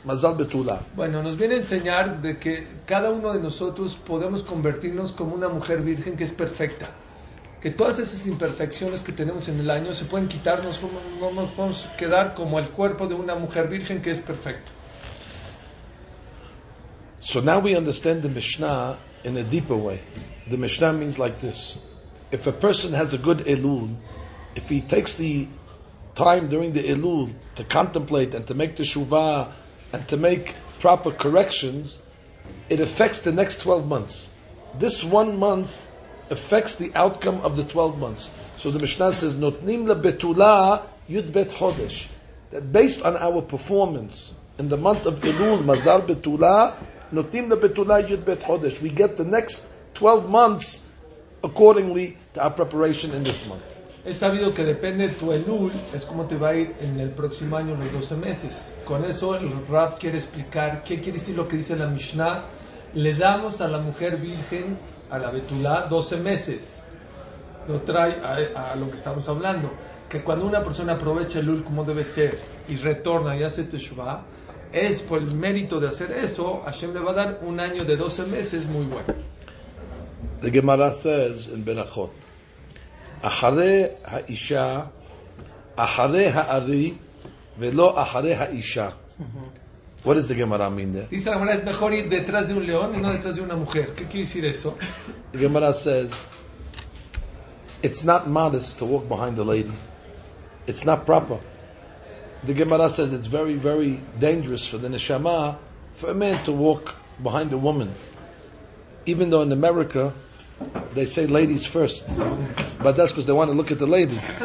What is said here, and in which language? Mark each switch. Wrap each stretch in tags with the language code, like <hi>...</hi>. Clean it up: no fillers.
<he>Mazal Betula.</he> <es>Bueno, nos viene a enseñar de que cada uno de nosotros podemos convertirnos como una mujer virgen que es perfecta. Que todas esas imperfecciones que tenemos en el año se pueden quitarnos, no nos podemos quedar como el cuerpo de una mujer virgen que es perfecto.</es> <en>So now we understand the Mishnah in a deeper way. The Mishnah means like this. If a person has a good Elul, if he takes the time during the Elul to contemplate and to make teshuvah and to make proper corrections, it affects the next 12 months. This 1 month affects the outcome of the 12 months. So the Mishnah says,</en> <he>Notnim la betula yud bet chodesh.</he> <en>That based on our performance in the month of Elul, mazal betula,</en> <he>notnim la betula yud bet chodesh.</he> <en>We get the next 12 months accordingly to our preparation in this month.</en> <es>Es sabido que depende de tu Elul, es como te va a ir en el próximo año, los 12 meses. Con eso el Rav quiere explicar, ¿qué quiere decir lo que dice la Mishnah? Le damos a la mujer virgen, a la Betulá, 12 meses. Lo trae a lo que estamos hablando. Que cuando una persona aprovecha Elul como debe ser, y retorna y hace Teshuvah, es por el mérito de hacer eso, Hashem le va a dar un año de 12 meses muy bueno.</es> <en>The Gemara says in Berachot,</en> <he>אחרי האישה, אחרי הארי, ולא אחרי האישה.</he> <en>What does the Gemara mean there?</en> <es>Dice la Gemara, es mejor ir detrás de un león y no detrás de una mujer. ¿Qué quiere decir eso?</es> <en>The Gemara says, it's not modest to walk behind the lady. It's not proper. The Gemara says, it's very, very dangerous for the neshama, for a man to walk behind a woman. Even though in America, they say ladies first, but that's because they want to look at the lady.</en>